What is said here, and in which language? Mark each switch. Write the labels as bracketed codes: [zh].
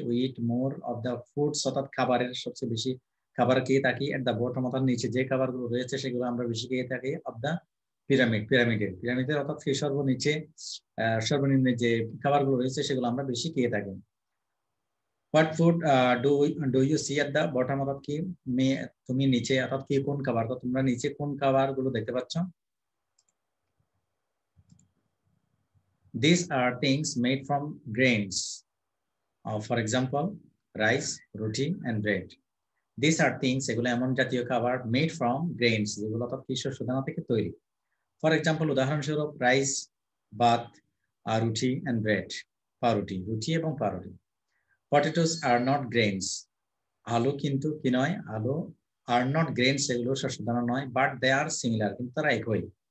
[en] with more of the foods, [bn] অর্থাৎ খাবারের সবচেয়ে বেশি খাবার খেয়ে থাকি, [en] at the bottom [bn] অর্থাৎ নিচে যে খাবারগুলো রয়েছে সেগুলো আমরা বেশি খেয়ে থাকি, [en] of the pyramid, [bn] পিরামিডের অর্থাৎ সর্বনিচে সর্বনিম্নে যে খাবারগুলো রয়েছে সেগুলো আমরা বেশি খেয়ে থাকি। [en] what food do you see at the bottom, [bn] অর্থাৎ কি তুমি নিচে, অর্থাৎ কি কোন খাবার, অর্থাৎ তোমরা নিচে কোন খাবারগুলো দেখতে পাচ্ছ। [en] These are things made from grains, for example, rice, roti, and bread. These are things, [bn] এগুলো এমন জাতীয় খাবার, [en] made from grains, [bn] যেগুলো অর্থাৎ কৃষি শস্য দানা থেকে তৈরি। [en] for example, [bn] উদাহরণস্বরূপ রাইস, ভাত, আর রুটি [en] and bread, [bn] পাউরুটি, রুটি এবং পাউরুটি। [en] potatoes are not grains, [bn] আলু কিন্তু কি নয়, [en] আলু are not grains, [bn] এগুলো শস্য দানা নয়, [en] but they are similar, [bn] কিন্তু তারা একই।